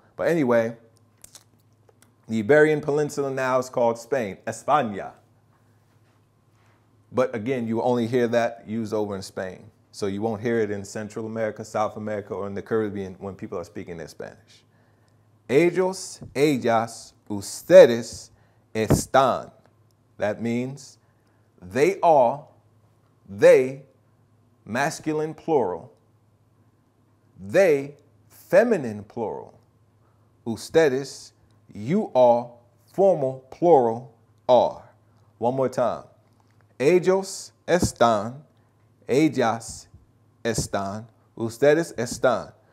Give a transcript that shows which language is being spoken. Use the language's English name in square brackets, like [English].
[English] But anyway, the Iberian Peninsula now is called Spain, España. But again, you only hear that used over in Spain. So you won't hear it in Central America, South America, or in the Caribbean when people are speaking their Spanish. [Spanish] Ellos, ellas, ustedes están. [English] That means they are, they, masculine plural, they, feminine plural, ustedes, you are, formal plural, are. One more time. [Spanish] Ellos están, ellas están, ustedes están.